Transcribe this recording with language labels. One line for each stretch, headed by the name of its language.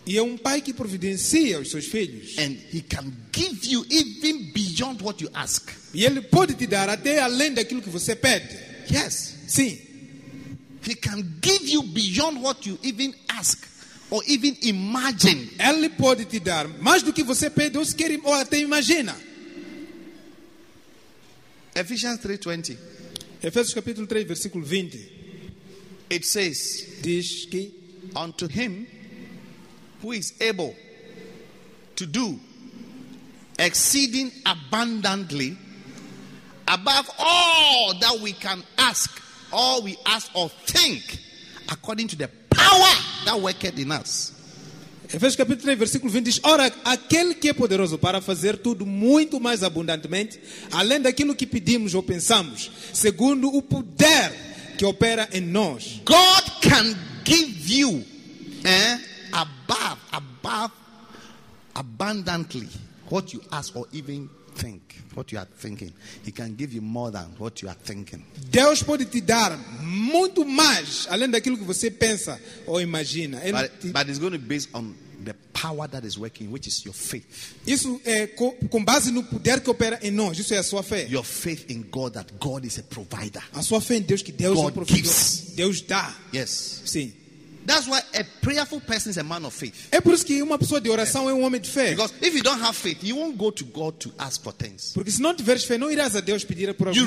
Portuguese: E é pai que providencia os seus filhos.
English: And he can give you even beyond what you ask.
Portuguese: E ele pode te dar até além daquilo que você pede.
English: Yes.
Portuguese: Sim.
English: He can give you beyond what you even ask. or even imagine.
Portuguese: Ele pode te dar mais do que você pede, ou sequer ou até imagina. Efésios capítulo 3, versículo 20.
English: It says,
Portuguese: diz que
English: unto him who is able to do exceeding abundantly above all that we can ask, all we ask or think, according to the power that worketh in us.
Portuguese: Efésios capítulo 3, versículo 20 diz: ora, aquele que é poderoso para fazer tudo muito mais abundantemente, além daquilo que pedimos ou pensamos, segundo o poder que opera em nós.
English: God can give you above abundantly what you ask or even think. What you are thinking, he can give you more than what you are thinking.
Portuguese: Deus pode te dar muito mais além daquilo que você pensa ou imagina.
English: But it's going to be based on the power that is working, which is your faith.
Portuguese: Isso é com base no poder que opera em nós. Isso é a sua fé.
English: Your faith in God, that God is a provider.
Portuguese: A sua fé em Deus, que Deus
English: God
Portuguese: é provedor.
English: Gives.
Portuguese: Deus dá.
English: Yes.
Portuguese: Sim.
English: That's why a prayerful person is a man of faith.
Portuguese: É por isso que uma pessoa de oração é um homem de fé.
English: Because if you don't have faith, you won't go to God to ask for things.
Portuguese: Porque se não tiveres fé, não irás a Deus pedir por alguma